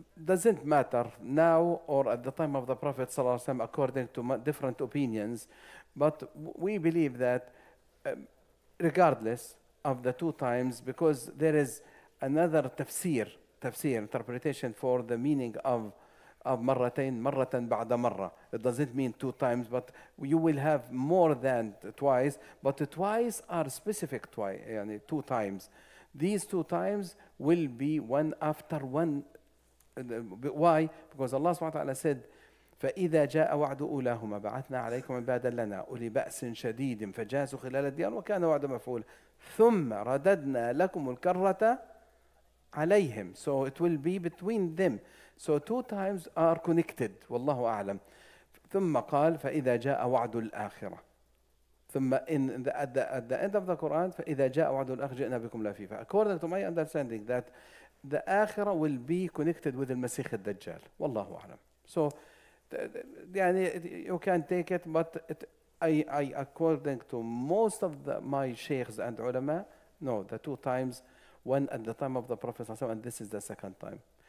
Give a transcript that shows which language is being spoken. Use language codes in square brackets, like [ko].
[en] Doesn't matter now or at the time of the Prophet صلى الله عليه وسلم, according to different opinions, but we believe that regardless of the two times, because there is another tafsir interpretation for the meaning of مرتين, [ar] مرة بعد مرة. [en] It doesn't mean two times, but you will have more than twice, but the twice are specific twice, يعني two times. These two times will be one after one. Why? Because Allah subhanahu wa ta'ala said, [ar] فإذا جاء وعد أولاهما بعثنا عليكم عبادا لنا أولي بأس شديد فجاسوا خلال الديار وكان وعد مفعول ثم رددنا لكم الكرة عليهم. [en] So it will be between them. So two times are connected. [ar] والله أعلم. ثم قال فإذا جاء وعد الآخرة ثم [en] at the end of the Quran [ar] فإذا جاء وعد الآخرة جئنا بكم لفيفا. [en] According to my understanding that the آخرة will be connected with المسيخ الدجال. [ar] والله أعلم. [en] So يعني you can take it, but I according to most of my sheikhs and ulama, no, the two times, one at the time of the Prophet, and this is the second time.